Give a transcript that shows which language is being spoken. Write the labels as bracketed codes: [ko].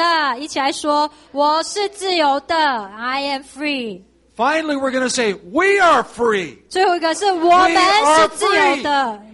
[zh] 然后现在我们要宣告说：“我是自由的。”一起来说：“我是自由的。” [en] I am free. Finally, we're going to say, "We are free." [zh] 最后一个是我们是自由的。